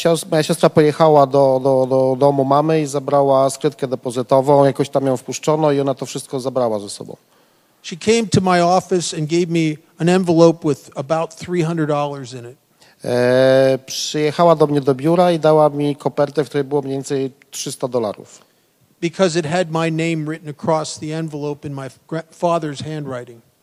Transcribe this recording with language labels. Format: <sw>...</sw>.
<pl>Moja siostra pojechała do domu mamy i zabrała skrytkę depozytową, jakoś tam ją wpuszczono i ona to wszystko zabrała ze sobą.</pl> <en>She came to my office and gave me an envelope with about $300 in it.</en> <pl>Przyjechała do mnie do biura i dała mi kopertę, w której było mniej więcej $300.</pl> <en>Because it had my name written across the envelope in my father's handwriting.</en>